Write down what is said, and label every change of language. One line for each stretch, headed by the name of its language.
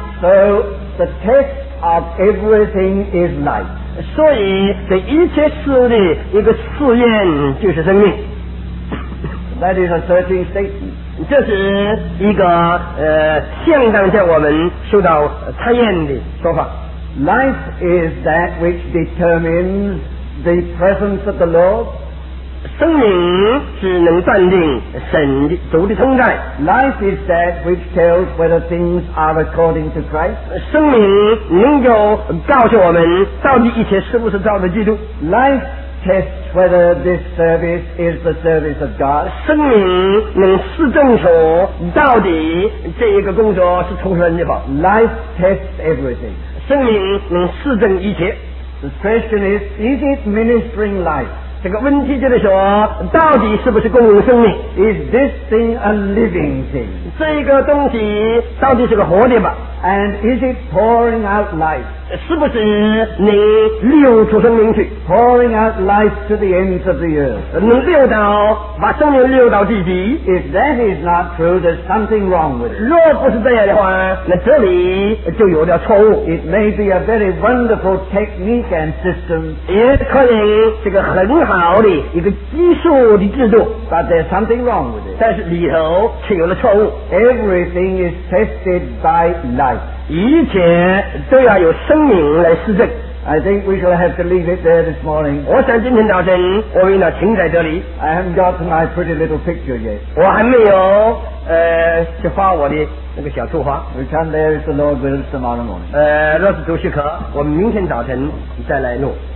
English: So the test of everything is life.
Chinese: 所以这一切事的一个试验就是生命。
English: That is a searching statement.
Chinese: 这是一个相当叫我们受到测验的说法。
English: Life is that which determines the presence of the Lord.
Chinese: 生命是能断定神主的同在。
English: Life is that which tells whether things are according to Christ.
Chinese: 生命能够告诉我们到底一切是不是照着基督。
English: Life tests whether this service is the service of God.
Chinese: 生命能试证说到底这一个工作是从神的吧。
English: Life tests everything.
Chinese: 生命能试证一切。
English: The question is it ministering life?
Chinese: 这个问题就是说，到底是不是供应生命
English: ？Is this thing a living thing？
Chinese: 这个东西到底是个活的吧
English: ？And is it pouring out life？
Chinese: 是不是能流出生命去
English: ？Pouring out life to the ends of the earth？
Chinese: 能流到把生命流到地极
English: ？If that is not true, there's something wrong with it。
Chinese: 若不是这样的话，那这里就有点错误。
English: It may be a very wonderful technique and system。
Chinese: 也可能这个很。很好的一个技术的制度
English: but there's something wrong with it
Chinese: 但是里头却有了错误
English: everything is tested by life
Chinese: 一切都要有生命来试证
English: I think we shall have to leave it there this morning
Chinese: 我想今天早晨我们要停在这里
English: I haven't got to my pretty little picture yet
Chinese: 我还没有去画我的那个小图画
English: we come there if the Lord wills tomorrow morning
Chinese: 若是主许可我们明天早晨再来录